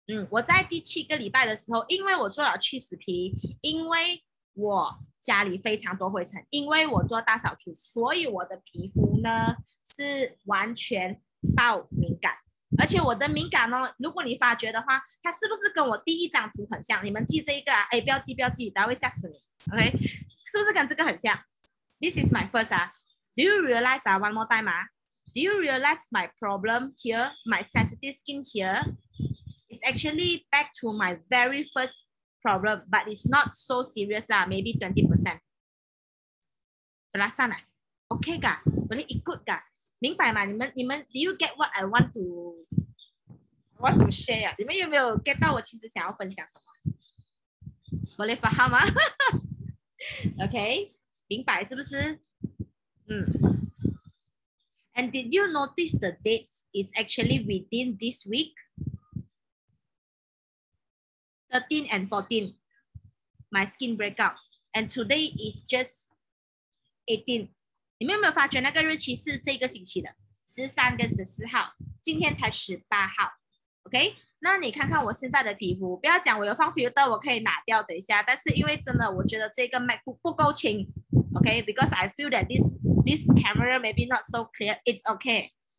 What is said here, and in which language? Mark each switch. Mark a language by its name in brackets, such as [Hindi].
[Chinese] 我在第七个礼拜的时候，因为我做了去死皮，因为我家里非常多灰尘，因为我做大扫除，所以我的皮肤呢是完全爆敏感。而且我的敏感呢，如果你发觉的话，它是不是跟我第一张图很像？你们记这一个啊，哎，不要记，待会吓死你。 OK, 是不是跟这个很像？ [English] This is my first. Do you realize one more time? Do you realize my problem here, my sensitive skin here? It's actually back to my very first problem, but it's not so serious, maybe 20%. [Malay] Perasan? Okay, ga? Boleh ikut ga? [Chinese] 明白吗？ [English] 你们 do you get what I want to share? [Chinese] 你们有没有 get 到我其实想要分享什么？ [Malay] Boleh faham吗？Okay. [Chinese] 明白是不是？ [English] And did you notice the date is actually within this week? 13 and 14, my skin breakout. And today is just 18. [Chinese] 你们有没有发觉那个日期是这个星期的？ 13跟14号，今天才18号。OK? 那你看看我现在的皮肤，不要讲我有放 filter, 我可以拿掉等一下。但是因为真的我觉得这个 MacBook 不够清。 [English] Okay, because I feel that this camera maybe not so clear. It's okay.